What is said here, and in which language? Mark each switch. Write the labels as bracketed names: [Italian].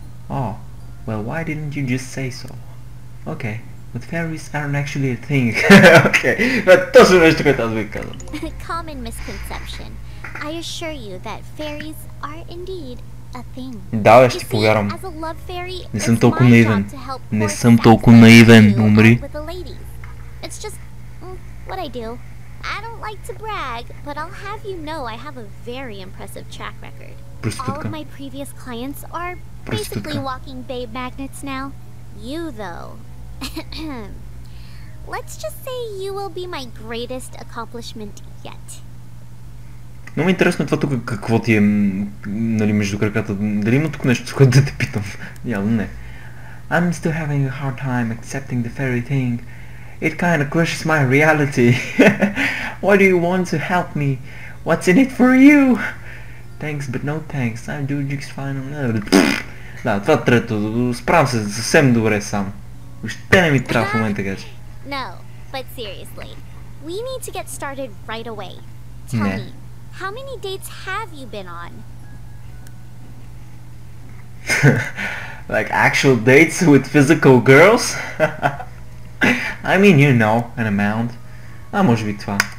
[English] Oh, well, why didn't you just say so? Okay. But fairies aren't actually a thing. Okay, but that's the next question I'll be asking. Common misconception. I assure you that fairies are indeed a thing. [Bulgarian] Да, ще ти повярвам. [English] As a love fairy, [Bulgarian] не съм толкова наивен. Не съм толкова наивен, умри. [English] It's just what I do. I don't like to brag, but I'll have you know I have a very impressive track record. [Bulgarian] Проститутка. [English] All of my previous clients are basically walking babe magnets now. You though. Let's just say you will be my greatest accomplishment yet. [Bulgarian] Много интересно това тук какво ти е, нали, между краката. Дали има тук нещо, с което да те питам? Явно не. [English] I'm still having a hard time accepting the fairy thing. It kinda crushes my reality. Why do you want to help me? What's in it for you? Thanks, but no thanks. I do just fine. [Bulgarian] Да, това трето. Справям се съвсем добре сам. Още не ми трябва в момента, гаче. [English] No, but seriously. We need to get started right away. Tell me, how many dates have you been on? Like actual dates with physical girls? I mean, you know, an amount. [Bulgarian] А, може би това.